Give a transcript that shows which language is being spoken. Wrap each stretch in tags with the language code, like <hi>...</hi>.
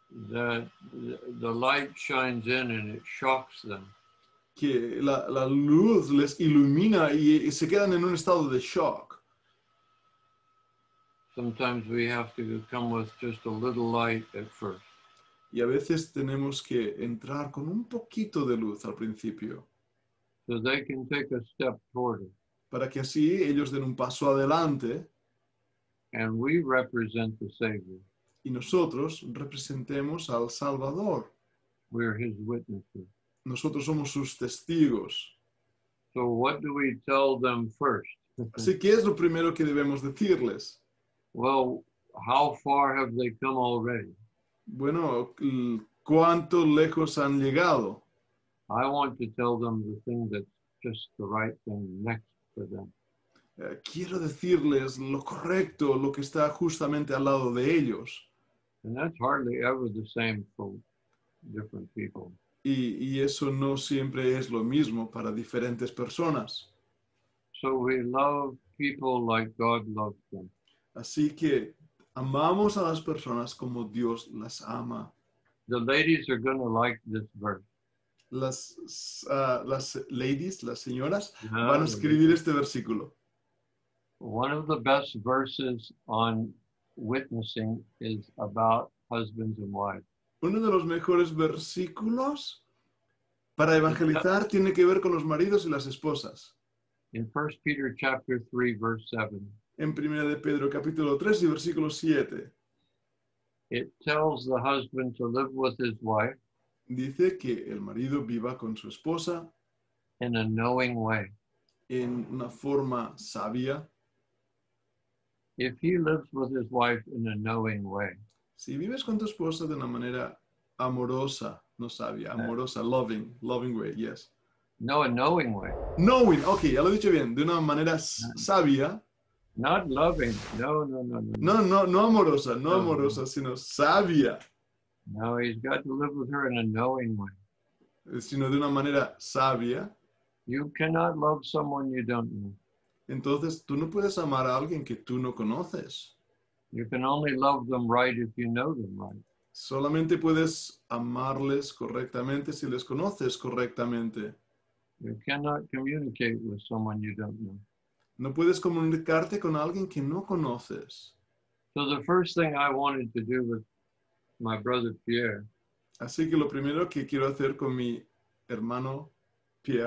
<en>That the light shines in and it shocks them.</en> <es>Que la luz les ilumina y se quedan en un estado de shock.</es> <en>Sometimes we have to come with just a little light at first.</en> <es>Y a veces tenemos que entrar con un poquito de luz al principio.</es> <en>So they can take a step toward it.</en> <es>Para que así ellos den un paso adelante.</es> <en>And we represent the Savior.</en> <es>Y nosotros representemos al Salvador.</es> <en>We are his witnesses.</en> <es>Nosotros somos sus testigos.</es> <en>So what do we tell them first?</en> <es>Así que es lo primero que debemos decirles.</es> <en>Well, how far have they come already?</en> <es>Bueno, cuánto lejos han llegado.</es> <en>I want to tell them the thing that's just the right thing next for them.</en> <es>Quiero decirles lo correcto, lo que está justamente al lado de ellos.</es> <en>And that's hardly ever the same for different people.</en> <es>Y eso no siempre es lo mismo para diferentes personas.</es> <en>So we love people like God loves them.</en> <es>Así que amamos a las personas como Dios las ama.</es> <en>The ladies are going to like this verse.</en> <es>Las ladies, las señoras, yeah, van a escribir este versículo.</es> <en>One of the best verses on witnessing is about husbands and wives.</en> <es>Uno de los mejores versículos para evangelizar tiene que ver con los maridos y las esposas.</es> <en>In 1 Peter chapter 3, verse 7.</en> <es>En Primera de Pedro capítulo 3 y versículo 7.</es> <en>It tells the husband to live with his wife.</en> <es>Dice que el marido viva con su esposa.</es> <en>In a knowing way.</en> <es>En una forma sabia.</es> <en>If he lives with his wife in a knowing way.</en> <es>Si vives con tu esposa de una manera amorosa, no sabia, amorosa,</es> <en>loving, loving way, yes. No, a knowing way. Knowing, okay,</en> <es>ya lo he dicho bien, de una manera sabia.</es> <en>Not loving, no.</en> <es>No amorosa, sino sabia.</es> <en>No, he's got to live with her in a knowing way.</en> <es>Sino de una manera sabia.</es> <en>You cannot love someone you don't know.</en> <es>Entonces, tú no puedes amar a alguien que tú no conoces.</es> <en>You can only love them right if you know them right.</en> <es>Solamente puedes amarles correctamente si les conoces correctamente.</es> <en>You cannot communicate with someone you don't know.</en> <es>No puedes comunicarte con alguien que no conoces.</es> <en>So the first thing I wanted to do with my brother Pierre.</en> <es>Así que lo primero que quiero hacer con mi hermano Pierre.</es>